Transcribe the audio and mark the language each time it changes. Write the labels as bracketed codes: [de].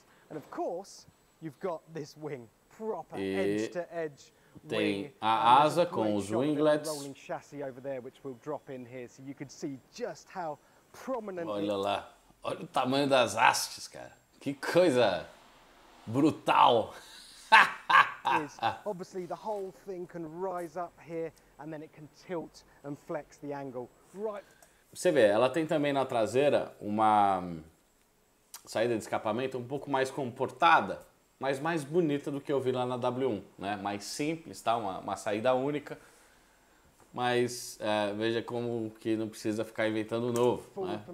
[en] And of course, you've got this wing, proper edge-to-edge. [pt] Tem a asa com os winglets. [en] Rolling chassis over there, which we'll drop in here, so you could see just how prominent. [pt] Olha lá, olha o tamanho das hastes, cara. Que coisa brutal. [en] Obviously, the whole thing can rise up here, and then it can tilt and flex the angle. Right. [pt] Você vê, ela tem também na traseira uma saída de escapamento um pouco mais comportada, mas mais bonita do que eu vi lá na W1, né? Mais simples, tá? Uma saída única, mas veja como que não precisa ficar inventando novo, né?